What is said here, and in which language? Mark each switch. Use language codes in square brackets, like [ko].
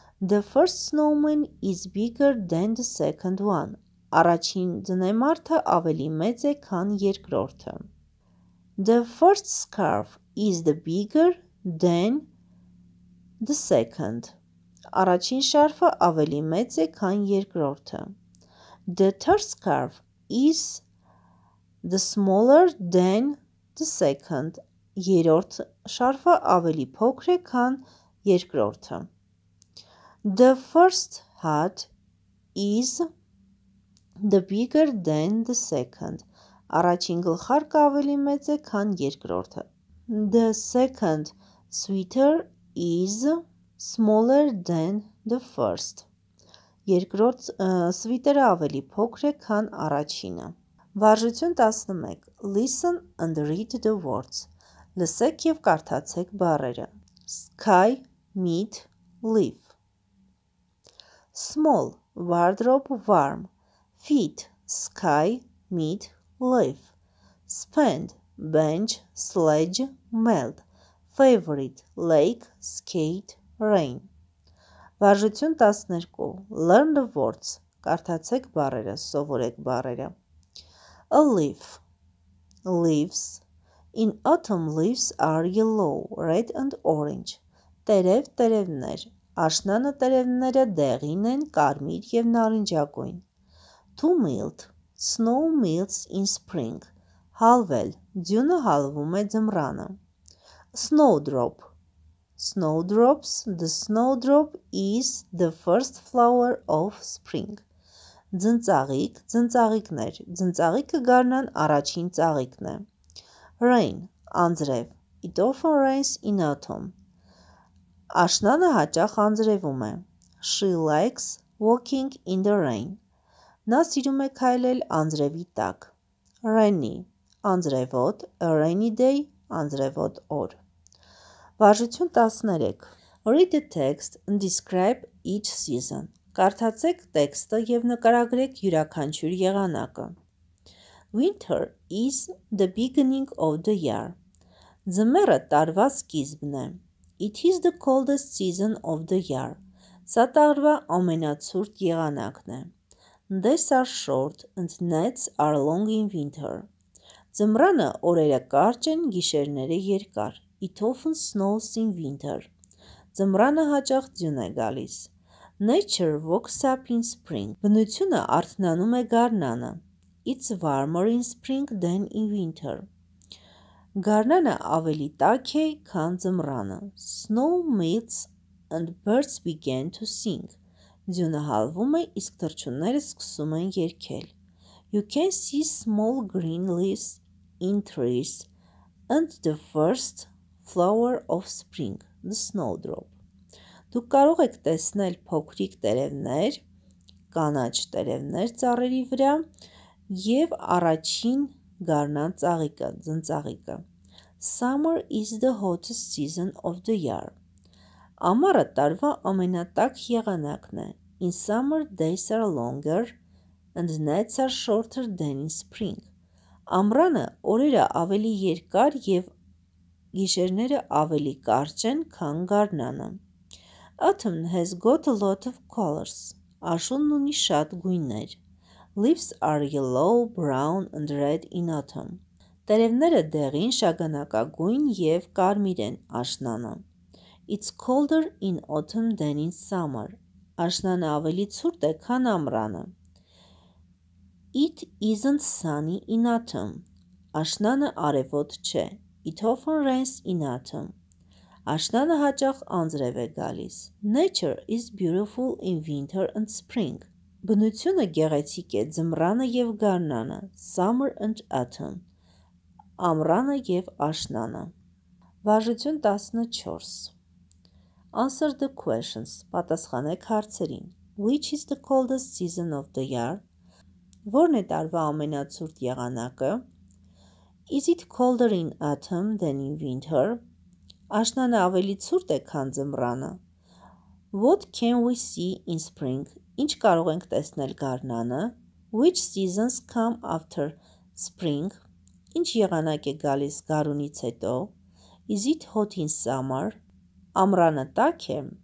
[en] The first snowman is bigger than the second one. [hy] Առաջին ձնեմարդը ավելի մեծ է, քան երկրորդը. [en] The first scarf is the bigger than the second. [hy] Առաջին շարֆը ավելի մեծ է, քան երկրորդը. [en] The third scarf is the smaller than the second. [hy] Երրորդ շարֆը ավելի փոքր է, քան երկրորդը. [en] The first hat is the bigger than the second. [hy] Առաջին գլխարկը ավելի մեծ է, քան երկրորդը. [en] The second sweater is smaller than the first. [hy] Երկրորդ սվիտերը ավելի փոքր է, քան առաջինը. Վարժություն 11. [en] Listen and read the words. [hy] Լսեք եւ կարդացեք բառերը. [en] Sky, meat, leaf. Small, wardrobe, warm. Feet, sky, meat, leaf. Spend, bench, sledge, melt. Favorite, lake, skate, rain. [hy] Վարժություն 12. [en] Learn the words. [hy] Կարդացեք բառերը, սովորեք բառերը. [en] A leaf. Leaves. In autumn, leaves are yellow, red and orange. [hy] Տերև, տերևներ. Աշնանը տերևները դեղին են, կարմիր և նարնջագույն։ [en] To melt. Snow melts in spring. [hy] Հալվել. Ձյունը հալվում է ձմռանը։ [en] Snowdrop. Snowdrops. The snowdrop is the first flower of spring. [hy] Ձնծաղիկ. Ձնծաղիկներ. Ձնծաղիկը գարնան առաջին ծաղիկն է։ [en] Rain. [hy] Անձրև. [en] It often rains in autumn. [hy] Աշնանը հաճախ անձրևում է. [en] She likes walking in the rain. [hy] Նա սիրում է քայլել անձրևի տակ. [en] Rainy. [hy] Անձրևոտ. [en] A rainy day. [hy] Անձրևոտ օր. Վարժություն 13. [en] Read the text and describe each season. [hy] Կարդացեք տեքստը և նկարագրեք յուրաքանչյուր եղանակը. [en] Winter is the beginning of the year. [hy] Ձմեռը տարվա սկիզբն է. [en] It is the coldest season of the year. [hy] Սա տարվա ամենացուրտ եղանակն է. [en] Days are short and nights are long in winter. [hy] Ձմռանը օրերը կարճ են, գիշերները երկար. [en] It often snows in winter. [hy] Ձմռանը հաճախ ձյուն է գալիս. [en] Nature wakes up in spring. [hy] Բնությունը արթնանում է գարնանը. [en] It's warmer in spring than in winter. [hy] Գարնանը ավելի տաք է, քան ձմռանը. [en] Snow melts and birds begin to sing. [hy] Ձյունը հալվում է, իսկ թռչունները սկսում են երգել. [en] You can see small green leaves in trees and the first flower of spring, the snowdrop. [hy] Դուք կարող եք տեսնել փոքրիկ տերևներ, կանաչ տերևներ ծառերի վրա և առաջին գարնան ծաղիկը, ձնծաղիկը. [en] Summer is the hottest season of the year. [hy] Ամառը տարվա ամենատաք եղանակն է. [en] In summer days are longer and nights are shorter than in spring. [hy] Ամռանը օրերը ավելի երկար և գիշերները ավելի կարճ են, քան գարնանը. [en] Autumn has got a lot of colors. [hy] Աշունն ունի շատ գույներ. [en] Leaves are yellow, brown and red in autumn. [hy] Տերևները դեղին, շագանակագույն և կարմիր են աշնանը. [en] It's colder in autumn than in summer. [hy] Աշնանը ավելի ցուրտ է, քան ամռանը. [en] It isn't sunny in autumn. [hy] Աշնանը արևոտ չէ. [en] It often rains in autumn. [hy] Աշնանը հաճախ անձրև է գալիս. [en] Nature is beautiful in winter and spring. [hy] Բնությունը գեղեցիկ է, ձմռանը և գարնանը. [en] Summer and autumn. [hy] Ամռանը և աշնանը. Վարժություն 14. [en] Answer the questions. [hy] Պատասխանեք հարցերին. [en] Which is the coldest season of the year? [hy] Որն է տարվա ամենացուրտ եղանակը? [en] Is it colder in autumn than in winter? [hy] Աշնանը ավելի ցուրտ է, քան ձմռանը. [en] What can we see in spring? [hy] Ինչ կարող ենք տեսնել գարնանը? [en] Which seasons come after spring? [hy] Ինչ եղանակ է գալիս գարունից հետո? [en] Is it hot in summer? [hy] Ամռանը տաք է.